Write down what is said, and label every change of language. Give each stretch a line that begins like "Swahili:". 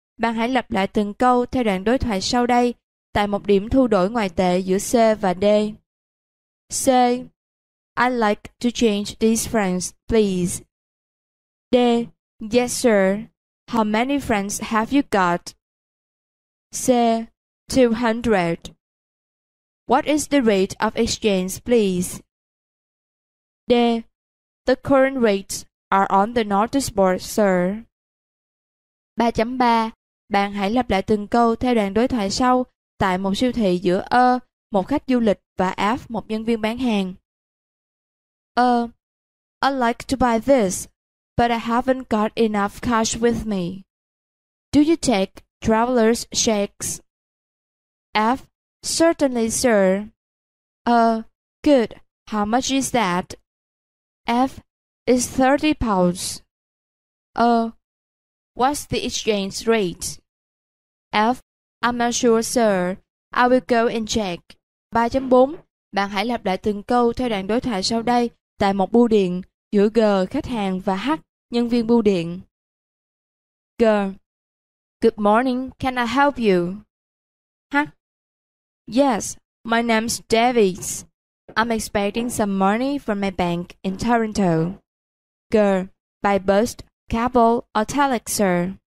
Vietnamese: Bạn hãy lặp lại từng câu theo đoạn đối thoại sau đây tại một điểm thu đổi ngoại tệ giữa C và D. C.
English: I'd like to change these francs, please. D. Yes, sir. How many francs have you got? C. 200. What is the rate of exchange, please? D. The current rates are on the notice board, sir. 3.3.
Vietnamese: Bạn hãy lặp lại từng câu theo đoạn đối thoại sau tại một siêu thị giữa A, một khách du lịch, và F, một nhân viên bán hàng. A.
English: I'd like to buy this, but I haven't got enough cash with me. Do you take traveler's checks? F. Certainly, sir. A. Good. How much is that? F. It's £30. A. What's the exchange rate? F. I'm not sure, sir. I will go and check. 3.4.
Vietnamese: Bạn hãy lặp lại từng câu theo đoạn đối thoại sau đây tại một bưu điện giữa G, khách hàng, và H, nhân viên bưu điện. G.
English: Good morning. Can I help you? H. Yes. My name's Davis. I'm expecting some money from my bank in Toronto. Go by bus, cable, or telex, sir?